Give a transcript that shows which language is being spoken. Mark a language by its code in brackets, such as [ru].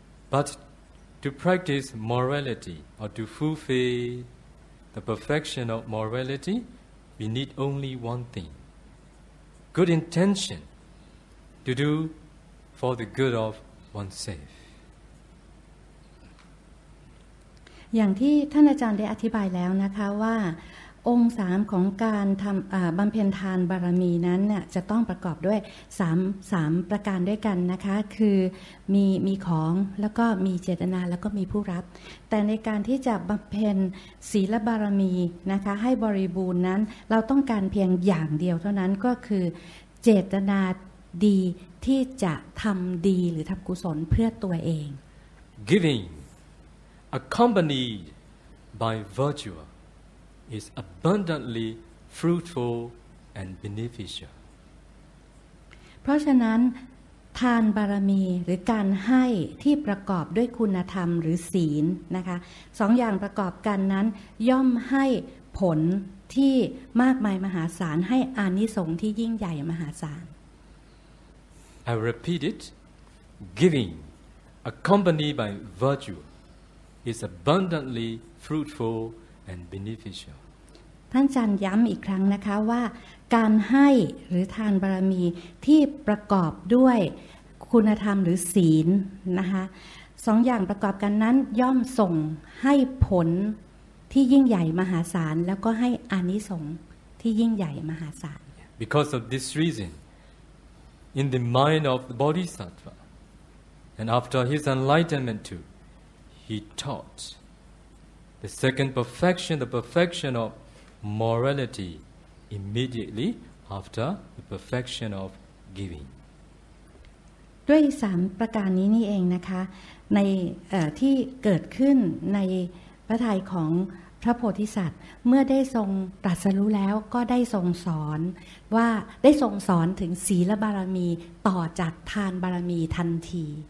[en] But to practice morality, or to fulfill the perfection of morality, we need only one thing, good intention to do for the good of oneself. [th] อย่างที่ท่านอาจารย์ได้อธิบายแล้วนะคะว่าองค์3ของการทำบำเพ็ญทานบารมีนั้นน่ะจะต้องประกอบด้วย3ประการด้วยกันนะคะคือมีของแล้วก็มีเจตนาแล้วก็มีผู้รับแต่ในการที่จะบำเพ็ญศีลบารมีนะคะให้บริบูรณ์นั้นเราต้องการเพียงอย่างเดียวเท่านั้นก็คือเจตนาดีที่จะทำดีหรือทำกุศลเพื่อตัวเอง [en] givingaccompanied by virtue is abundantly fruitful and beneficial. [th] เพราะฉะนั้นทานบารมีหรือการให้ที่ประกอบด้วยคุณธรรมหรือศีลนะคะสองอย่างประกอบกันนั้นย่อมให้ผลที่มากมายมหาศาลให้อานิสงส์ที่ยิ่งใหญ่มหาศาล [en] I repeat it, giving accompanied by virtueis abundantly fruitful and beneficial. [th] ท่านอาจารย์ย้ำอีกครั้งนะคะว่าการให้หรือทานบารมีที่ประกอบด้วยคุณธรรมหรือศีลนะคะสองอย่างประกอบกันนั้นย่อมส่งให้ผลที่ยิ่งใหญ่มหาศาลแล้วก็ให้อานิสงส์ที่ยิ่งใหญ่มหาศาล [en] Because of this reason, in the mind of the Bodhisattva, and after his enlightenment too,He taught the second perfection, the perfection of morality, immediately after the perfection of giving. [th] ด้วย3ประการนี้นี่เองนะคะในที่เกิดขึ้นในพระทัยของพระโพธิสัตว์เมื่อได้ทรงตรัสรู้แล้วก็ได้ทรงสอนว่าได้ทรงสอนถึงศีลบารมีต่อจากทานบารมีทันที